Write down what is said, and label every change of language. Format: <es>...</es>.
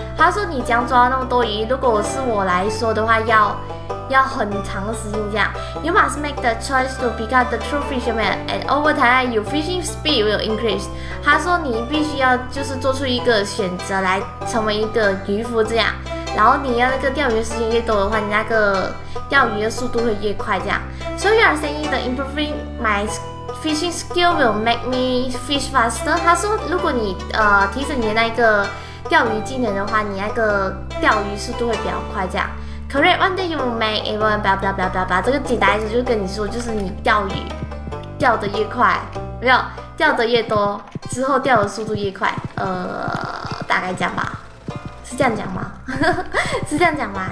<zh>他说你这样抓那么多鱼，如果是我来说的话，要很长的时间这样。</zh> <en>You must make the choice to become the true fisherman, and over time, your fishing speed will increase.</en> <zh>他说你必须要就是做出一个选择来成为一个渔夫这样，然后你要那个钓鱼的时间越多的话，你那个钓鱼的速度会越快这样。</zh> <en>So you are saying the improving my fishing skill will make me fish faster?</en> <zh>他说如果你提升你的那个钓鱼技能的话，你那个钓鱼速度会比较快这样。</zh> <en>Correct, one day you will make everyone blah blah</en> <zh>blah blah blah. 这个简单意思就是跟你说，就是你钓鱼钓得越快，没有钓得越多之后钓的速度越快，大概这样吧，是这样讲吗？是这样讲吗？</zh>